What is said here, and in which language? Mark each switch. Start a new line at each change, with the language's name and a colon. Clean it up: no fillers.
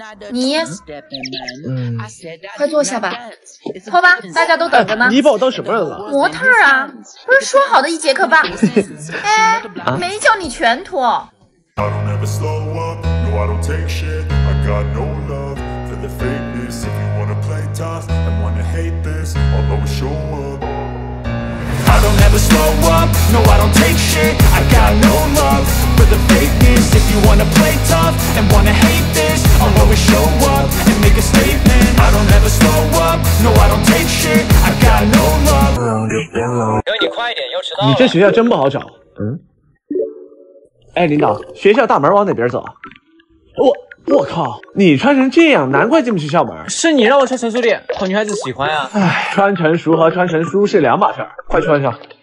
Chinese: 你，快坐下吧，坐吧，大家都等着呢。你把我当什么人了？模特啊，不是说好的一节课吧？哎，没叫你全脱。
English: I don't ever slow up, no I don't take shit, I got no love for the fakeness. If you wanna play tough and wanna hate this, I'll always show up. I don't ever slow up, no I don't take shit, I got no love for the fakeness. If you wanna play tough and wanna hate this, I'll always show up and make a statement. I don't ever slow up, no I don't take shit, I got no love.
Chinese: 哥，你快点，又迟到了。你这学校真不好找。嗯。哎，领导，学校大门往哪边走？我靠，你穿成这样，难怪进不去校门。是你让我穿成熟点，好女孩子喜欢啊。哎，穿成熟和穿成熟是两码事儿，快穿上。